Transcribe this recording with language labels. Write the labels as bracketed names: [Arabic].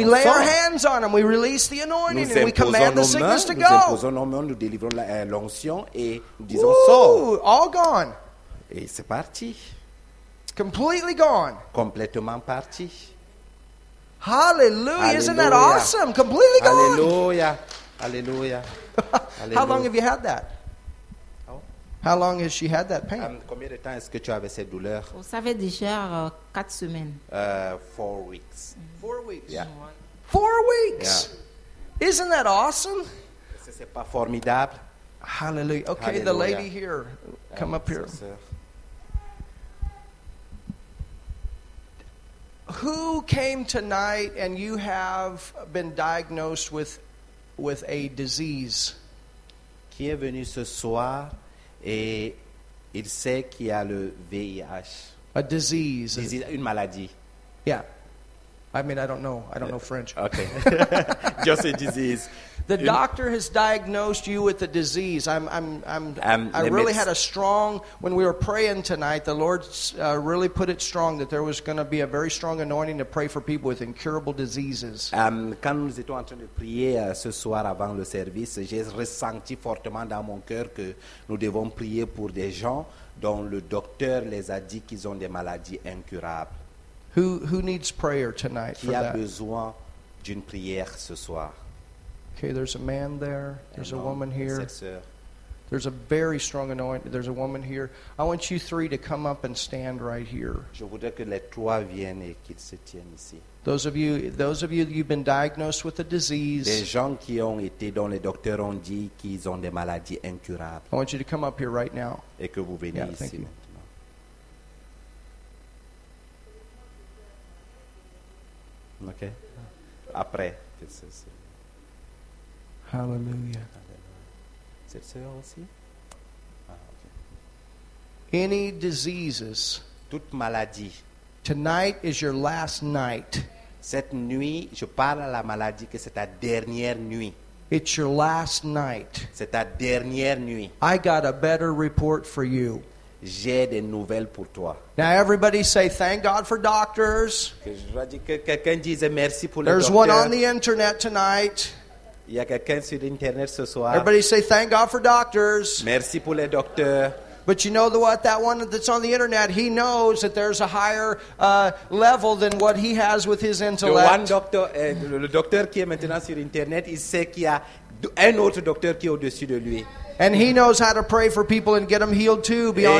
[English] sort. We lay our hands on them. We release the anointing [French] nous [English] and we command [French] nos [English] the sickness [French] mains, nous [English] go. [French] Nous imposons nos mains, nous délivrons l'onction et nous disons sort. [English] All gone. [French] Et c'est parti. [English] Completely gone. [French] Complètement parti. [English] Hallelujah! Isn't that awesome? Completely gone. Hallelujah! Hallelujah! How long have you had that? How long has she had that pain? [French] Combien de temps est-ce que tu avais cette douleur? On savait déjà 4 semaines. [English] 4 weeks. Mm-hmm. 4 weeks. Yeah. 4 weeks. Yeah. Isn't that awesome? [French] Est-ce que c'est pas formidable? [English] Hallelujah. Okay, Hallelujah. The lady here, come up here. Who came tonight and you have been diagnosed with a disease? [French] Qui est venu ce soir et il sait qu'il y a le VIH? [English] A disease. [French] Une maladie. [English] Yeah. I mean, I don't know. I don't know French. Okay. Just a disease. The doctor has diagnosed you with a disease. I really had a strong, when we were praying tonight, the Lord really put it strong that there was going to be a very strong anointing to pray for people with incurable diseases. [French] Quand nous étions en train de prier ce soir avant le service, j'ai ressenti fortement dans mon cœur que nous devons prier pour des gens dont le docteur les a dit qu'ils ont des maladies incurables. [English] Who needs prayer tonight for that? [French] Qui a besoin d'une prière ce soir? [English] Okay, there's a man there. There's a woman here. There's a very strong anointing. There's a woman here. I want you three to come up and stand right here. [French] Je voudrais que les trois viennent et qu'ils se tiennent ici. [English] Those of you, you've been diagnosed with a disease. [French] Des gens qui ont été dont les docteurs ont dit qu'ils ont des maladies incurables. [English] I want you to come up here right now. [French] Et que vous venez ici maintenant. Okay. Après. [English] Hallelujah. [French] Cette sœur aussi? [English] Any diseases? [French] Toute maladie. [English] Tonight is your last night. [French] Cette nuit, je parle à la maladie que c'est ta dernière nuit. [English] It's your last night. [French] C'est ta dernière nuit. [English] I got a better report for you. [French] J'ai des nouvelles pour toi. [English] Now everybody say thank God for doctors. [French] Que je dis que quelqu'un dise merci pour [English] There's [French] les docteurs. [English] One on the internet tonight. [French] Il y a quelqu'un sur internet ce soir. [English] Everybody say thank God for doctors. [French] Merci pour les docteurs. [English] But you know what? That one that's on the internet, he knows that there's a higher level than what he has with his intellect. The one doctor, [French] le docteur qui est maintenant sur internet, il sait qu'il y a un autre docteur qui est au-dessus de lui. [English] And he knows how to pray for people and get them healed too beyond